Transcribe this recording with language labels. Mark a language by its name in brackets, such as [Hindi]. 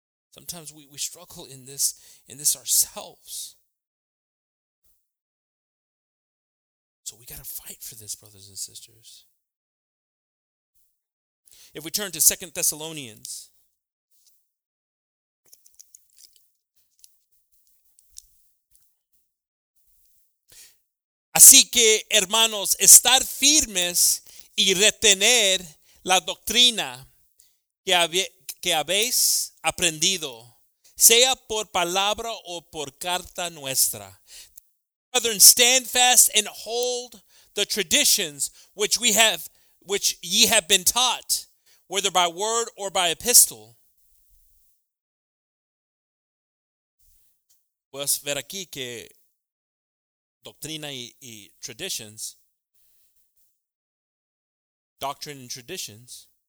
[English] Sometimes we struggle in this ourselves. So we gotta fight for this, brothers and sisters. If we turn to 2 Thessalonians, [Spanish] así que, hermanos, estar firmes y retener la doctrina que habéis aprendido, sea por palabra o por carta nuestra. [English] Brethren, stand fast and hold the traditions which ye have been taught, whether by word or by epistle. [Spanish] Puedes ver aquí que doctrina y traditions, [English] doctrine and traditions.